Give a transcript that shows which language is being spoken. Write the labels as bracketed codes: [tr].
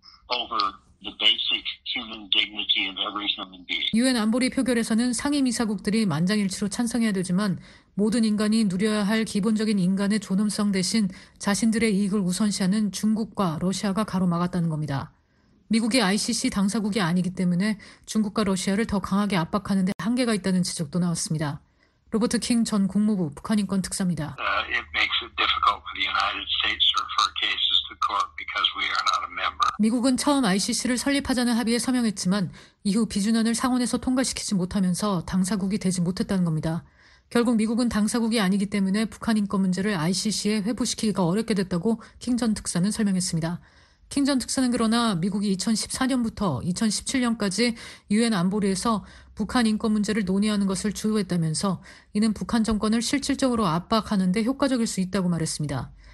[en] over the basic human dignity of every human being. [ko] 유엔 안보리 표결에서는 상임이사국들이 만장일치로 찬성해야 되지만 모든 인간이 누려야 할 기본적인 인간의 존엄성 대신 자신들의 이익을 우선시하는 중국과 러시아가 가로막았다는 겁니다. 미국이 ICC 당사국이 아니기 때문에 중국과 러시아를 더 강하게 압박하는 데 한계가 있다는 지적도 나왔습니다. 로버트 킹 전 국무부 북한인권 특사입니다. [en] It makes it difficult for the United States to refer cases to court because we are not a member. [ko] 미국은 처음 ICC를 설립하자는 합의에 서명했지만 이후 비준안을 상원에서 통과시키지 못하면서 당사국이 되지 못했다는 겁니다. 결국 미국은 당사국이 아니기 때문에 북한 인권 문제를 ICC에 회부시키기가 어렵게 됐다고 킹 전 특사는 설명했습니다. 킹 전 특사는 그러나 미국이 2014년부터 2017년까지 유엔 안보리에서 북한 인권 문제를 논의하는 것을 주요했다면서 이는 북한 정권을 실질적으로 압박하는 데 효과적일 수 있다고 말했습니다.